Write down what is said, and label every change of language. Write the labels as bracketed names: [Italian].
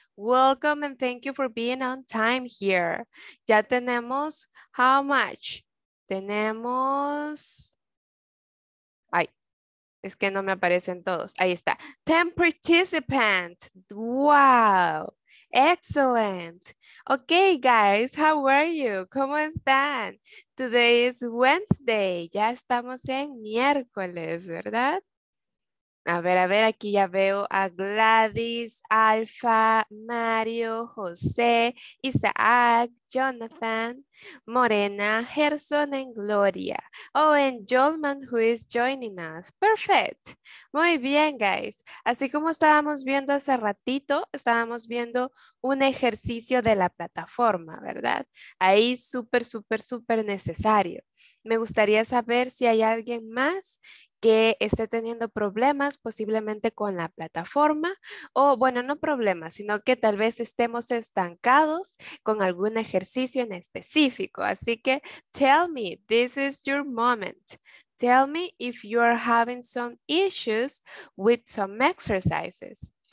[English] Welcome and thank you for being on time here. [Spanish] Ya tenemos, how much? Tenemos, ay, es que no me aparecen todos. [English] Ahí está. 10 participants. Wow. Excellent. Okay, guys, how are you? [Spanish] ¿Cómo están? Today is Wednesday. Ya estamos en miércoles, ¿verdad? A ver, aquí ya veo a Gladys, Alfa, Mario, José, Isaac, Jonathan, Morena, Gerson, and Gloria. [English] Oh, and Jolman, who is joining us. Perfect. [Spanish] Muy bien, guys. Así como estábamos viendo hace ratito, estábamos viendo un ejercicio de la plataforma, ¿verdad? Ahí súper, súper, súper necesario. Me gustaría saber si hay alguien más que esté teniendo problemas posiblemente con la plataforma, o bueno, no problemas, sino que tal vez estemos estancados con algún ejercicio en específico. [English] Así que, tell me, this is your moment. Tell me if you are having some issues with some exercises.